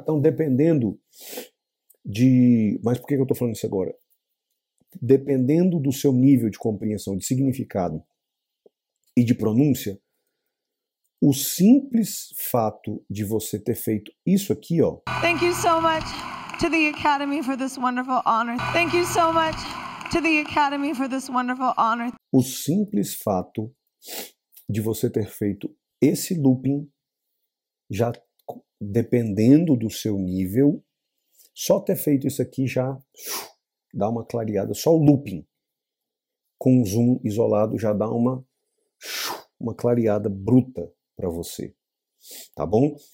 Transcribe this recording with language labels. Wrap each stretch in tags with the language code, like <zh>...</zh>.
<pt>Então, dependendo de... Mas por que eu tô falando isso agora? Dependendo do seu nível de compreensão, de significado e de pronúncia, o simples fato de você ter feito isso aqui, ó...</pt> <en>Thank you so much to the Academy for this wonderful honor. Thank you so much to the Academy for this wonderful honor.</en> <pt>O simples fato de você ter feito esse looping, já dependendo do seu nível, só ter feito isso aqui já dá uma clareada. Só o looping com o zoom isolado já dá uma clareada bruta para você, tá bom?</pt>